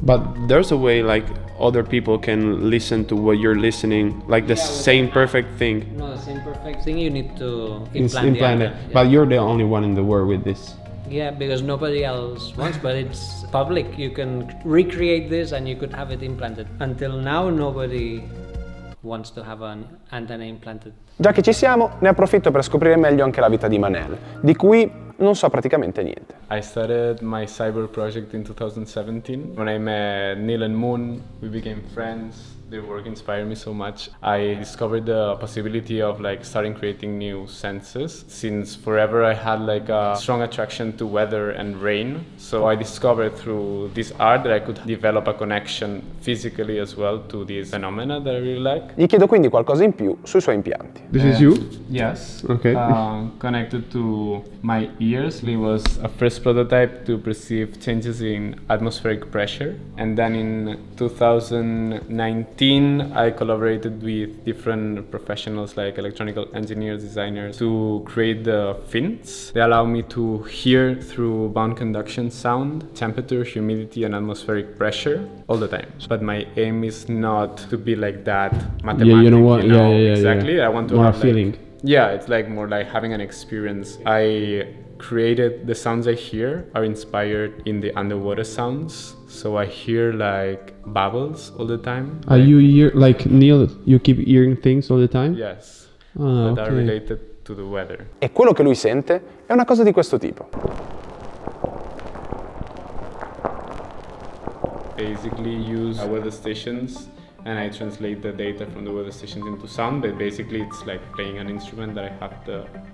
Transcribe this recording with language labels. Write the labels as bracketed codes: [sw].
[en] But there's a way like other people can listen to what you're listening, like the same perfect thing. No, the same perfect thing you need to implant it. Yeah. But you're the only one in the world with this. Yeah, because nobody else wants, but it's public. You can recreate this and you could have it implanted. Until now, nobody wants to have an antenna implanted. [it] Già che ci siamo, ne approfitto per scoprire meglio anche la vita di Manel, di cui non so praticamente niente. [en] I started my cyber project in 2017. When I met Neil and Moon, we became friends. Their work inspired me so much. I discovered the possibility of like starting creating new senses. Since forever I had like a strong attraction to weather and rain. So I discovered through this art that I could develop a connection physically as well to these phenomena that I really like. [it] Gli chiedo quindi qualcosa in più sui suoi impianti. [en] This is you? Yes. Okay. Connected to my ears. It was a first prototype to perceive changes in atmospheric pressure. And then in 2019, I collaborated with different professionals like electronic engineers, designers to create the fins. They allow me to hear through bound conduction sound, temperature, humidity and atmospheric pressure all the time. But my aim is not to be like that mathematical. Yeah, you know what? You know, exactly. Yeah. I want to more have feeling. Like, yeah, it's like more like having an experience. I created the sounds I hear are inspired in the underwater sounds. So I hear like bubbles all the time. Are like, you hear like Neil, you keep hearing things all the time? Yes. Oh, that okay. are related to the weather. [it] E quello che lui sente è una cosa di questo tipo. [en] Basically use weather stations and I translate the data from the weather stations into sound, but basically it's like playing an instrument that I have to.